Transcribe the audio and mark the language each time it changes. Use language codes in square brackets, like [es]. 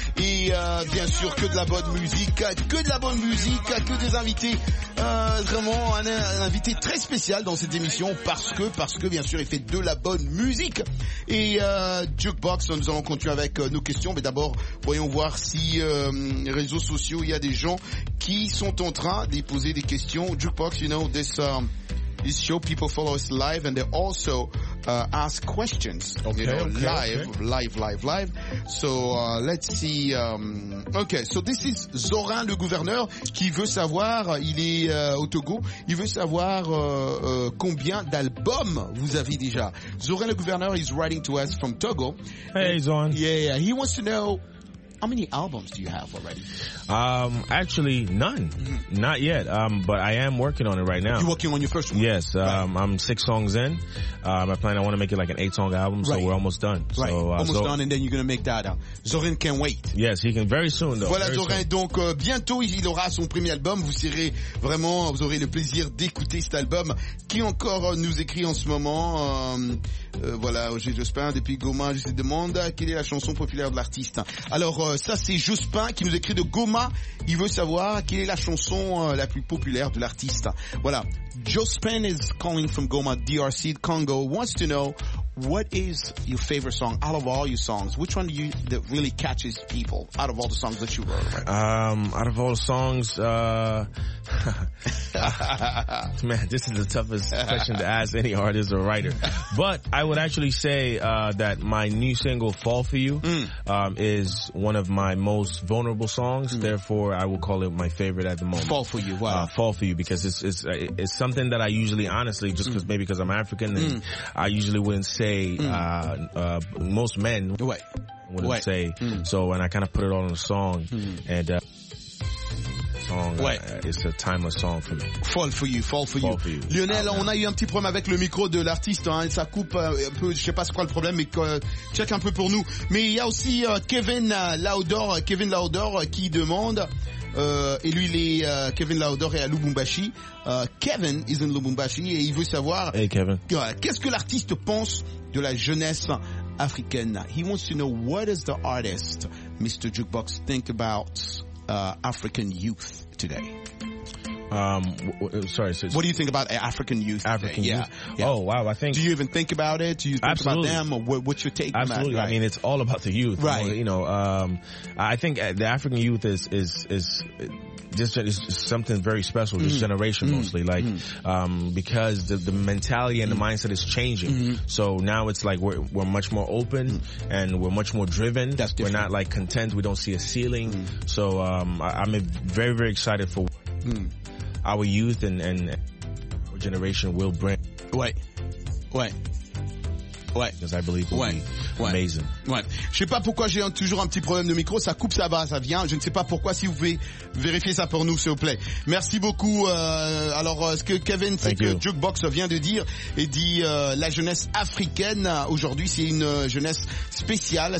[fr] Et bien sûr que de la bonne musique, que de la bonne musique, que des invités, vraiment un invité très spécial dans cette émission parce que bien sûr il fait de la bonne musique. Et Jukebox, nous allons continuer avec nos questions, mais d'abord voyons voir si réseaux sociaux, il y a des gens qui sont en train de poser des questions. [en] Jukebox, you know this this show, people follow us live and they also ask questions. Okay, you know, okay, live, okay. live. So let's see. Okay, so this is [fr] Zorin le gouverneur qui veut savoir, il est au Togo, il veut savoir combien d'albums vous avez déjà. [en] Zorin le gouverneur is writing to us from Togo. Hey Zorin. Yeah, he wants to know How many albums do you have already? Actually, none. Mm-hmm. Not yet. But I am working on it right now. You're working on your first one? Yes. Right. I'm six songs in. I want to make it like an 8-song album. Right. So we're almost done. Right. So, almost done. And then you're going to make that out. Zorin can wait. Yes, he can very soon though. [fr] Voilà Zorin. Donc, bientôt, il aura son premier album. Vous serez vraiment, vous aurez le plaisir d'écouter cet album. Qui encore nous écrit en ce moment? Voilà, j'ai Jospin depuis Goma. Je te demande quelle est la chanson populaire de l'artiste. Alors, ça, c'est Jospin qui nous écrit de Goma. Il veut savoir quelle est la chanson la plus populaire de l'artiste. Voilà. [en] Jospin is calling from Goma, DRC, Congo, wants to know what is your favorite song out of all your songs? Which one do you, that really catches people out of all the songs that you wrote? Out of all the songs, man, this is the toughest question to ask any artist or writer. But I would actually say that my new single, Fall For You, is one of my most vulnerable songs. Mm. Therefore, I will call it my favorite at the moment. Fall For You, wow. Fall For You, because it's something that I usually, honestly, just because maybe because I'm African, and I usually wouldn't say, most men wouldn't say. Mm. So, and I kind of put it all in a song, and... It's a timeless song for me. Fall for you. [fr] Lionel, on a eu un petit problème avec le micro de l'artiste. Hein, ça coupe un peu. Je sais pas c'est quoi le problème, mais check un peu pour nous. Mais il y a aussi Kevin Laudor qui demande. Et lui, il est Kevin Laudor est à Lubumbashi. [en] Kevin is in Lubumbashi [fr] et il veut savoir. [en] Hey Kevin. [fr] Qu'est-ce que l'artiste pense de la jeunesse africaine? [en] He wants to know what is the artist, Mr. Jukebox, think about. African youth today. What do you think about African youth? African today? Youth. Yeah. Oh, wow. I think. Do you even think about it? Do you think absolutely. About them? Or what's your take? Absolutely. About, right? I mean, it's all about the youth. Right. You know, I think the African youth is just is something very special, this generation mostly, like, because the mentality and the mindset is changing. Mm-hmm. So now it's like we're much more open and we're much more driven. That's different. We're not like content. We don't see a ceiling. Mm. So, I'm very, very excited for our youth and our generation will bring. [fr] Ouais. [en] Because I believe amazing. [fr] Ouais. Je sais pas pourquoi j'ai toujours un petit problème de micro. Ça coupe, ça va, ça vient. Je ne sais pas pourquoi. Si vous pouvez vérifier ça pour nous, s'il vous plaît. Merci beaucoup. Alors, ce que Kevin, c'est que Jukebox vient de dire et dit la jeunesse africaine aujourd'hui, c'est une jeunesse spéciale.